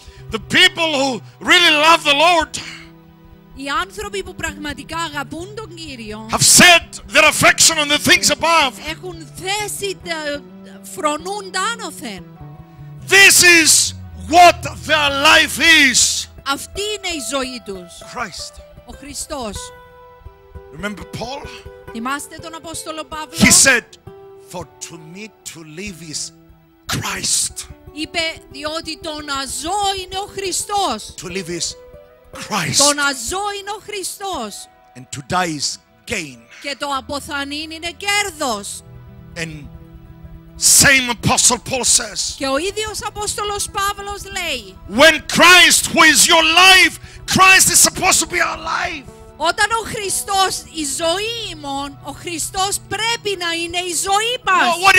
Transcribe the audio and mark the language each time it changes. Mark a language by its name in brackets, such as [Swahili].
[English] The people who really love the Lord. [Greek] Οι άνθρωποι που πραγματικά αγαπούν τον Κύριο. [English] Have set their affection on the things above. [Greek] Έχουν θέσει φρονούν τα άνωθεν. [English] This is what their life is. [Greek] Αυτή είναι η ζωή τους. [English] Christ. [Greek] Ο Χριστός. [English] Remember Paul? [Greek] Θυμάστε τον Απόστολο Παύλο. [English] He said, for to me to live is Christ. [Greek] Είπε, διότι το να ζω είναι ο Χριστός. [English] To live is Christ. [Greek] Το να ζω είναι ο Χριστός. [English] And to die is gain. [Greek] Και το αποθανήν είναι κέρδος. [English] And same apostle Paul says. [Greek] Και ο ίδιος Απόστολος Παύλος λέει. [English] When Christ, who is your life, Christ is supposed to be our life. [Greek] Όταν ο Χριστός η ζωή ημών, ο Χριστός πρέπει να είναι η ζωή μας.